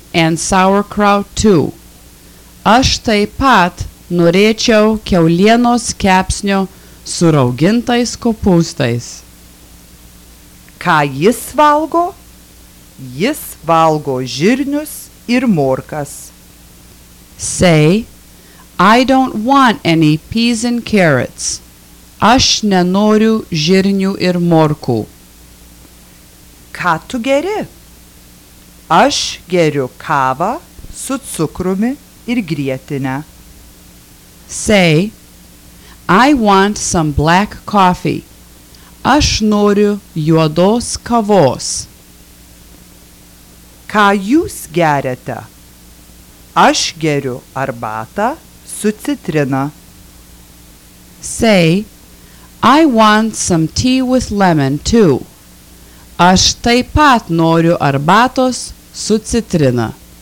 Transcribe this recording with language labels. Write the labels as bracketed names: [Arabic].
[English] and sauerkraut too. [Lithuanian] Aš taip pat norėčiau kiaulienos kepsnio su raugintais kopūstais. Ką jis valgo? Jis valgo žirnius ir morkas. [English] Say, I don't want any peas and carrots. [Lithuanian] Aš nenoriu žirnių ir morkų. Ką tu geri? Aš geriu kavą su cukrumi ir grietine. [English] Say, I want some black coffee. [Lithuanian] Aš noriu juodos kavos. Ką jūs geriate? Aš geriu arbatą su citrina. [English] Say, I want some tea with lemon too. [Lithuanian] Aš taip pat noriu arbatos su citrina.